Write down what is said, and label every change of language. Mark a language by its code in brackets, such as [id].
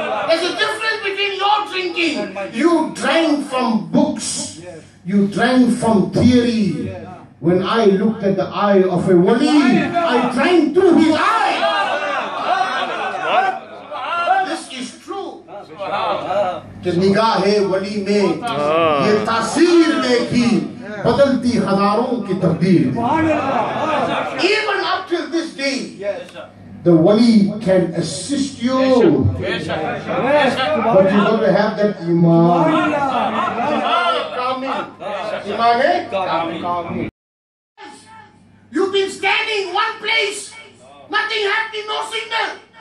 [en] There's a difference between your drinking. You drank from books. You drank from theory. When I looked at the eye of a wali, I drank through his eye. This is true. [ur] کہ نگاہِ ولی میں یہ تاثیر دیکھی بدلتی ہزاروں کی تبدیل. [en] Even up till this day, the wali can assist you, but you got to have that imam. Imam kamil. Imam kamil. You've been standing one place, nothing happening, no signal.